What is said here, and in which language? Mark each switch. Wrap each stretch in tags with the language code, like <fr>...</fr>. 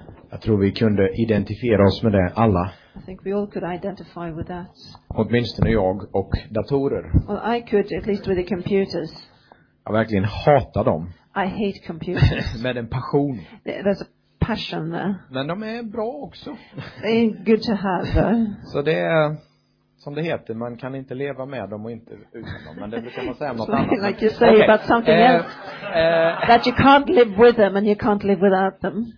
<sv>Jag tror vi kunde identifiera oss med det alla.</sv> <en>I think we all could identify with that.</en> <sv>Åtminstone jag och datorer.</sv> <en>Well, I could, at least with the computers.</en> <sv>Jag verkligen hatar dem.</sv> <en>I hate computers.</en> <sv>Med en passion.</sv> <en>There's a passion there.</en> <sv>Men de är bra också.</sv> <en>They're good to have.</en> <sv>Så det är som det heter, man kan inte leva med dem och inte utan dem, men det brukar man säga något</sv> <en>like</en> <sv>annat.</sv> <en>Like you say, okay. But something else. That you can't live with them and you can't live without them.</en>